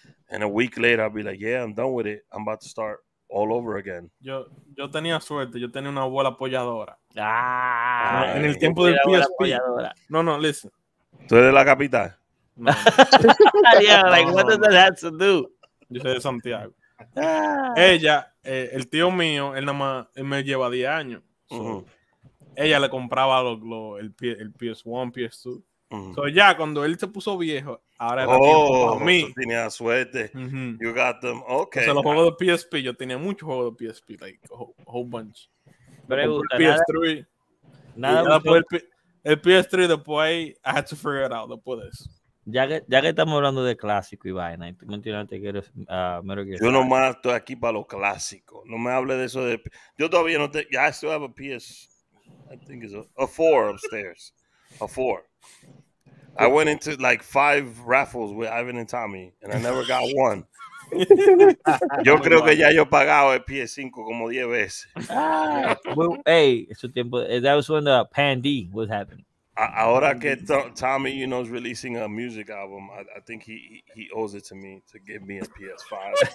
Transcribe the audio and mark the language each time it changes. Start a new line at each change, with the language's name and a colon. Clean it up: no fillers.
English: And a week later, I'd be like, yeah, I'm done with it. I'm about to start all over again.
Spanish: Yo tenía suerte. Yo tenía una abuela apoyadora. Ah, en el tiempo del PSP.
English: No, listen.
Spanish: ¿Tú eres la capital? No.
English: Yeah, like, what does that have to do?
Spanish: Yo soy de Santiago. Ella, el tío mío, él nada más, él me lleva 10 años. So, ella le compraba el PS1, PS2. So, ya cuando él se puso viejo, ahora era tiempo para mí. Tenía suerte.
English: Mm-hmm. You got them. Okay.
Spanish: O sea, los juegos de PSP, yo tenía muchos juegos de PSP,
English: like a whole bunch.
Spanish: El PS3,
English: después I had to figure it out.
Spanish: Después de eso. Ya que estamos hablando de clásico y vaina, tú me entiendes que eres yo nomás estoy aquí para lo clásico. No me hable de eso de yo todavía no tengo.
English: I still have a PS, I think it's a 4 upstairs. A 4. I went into like 5 raffles with Ivan and Tommy and I never got one.
Spanish: Yo creo que ya yo he pagado el PS5 como 10 veces.
English: Hey,
Spanish: ese tiempo,
English: that was when the pandemic was happening.
Spanish: Ahora que
English: Tommy, you know, is releasing a music album, I think he owes it to me to give me a PS5.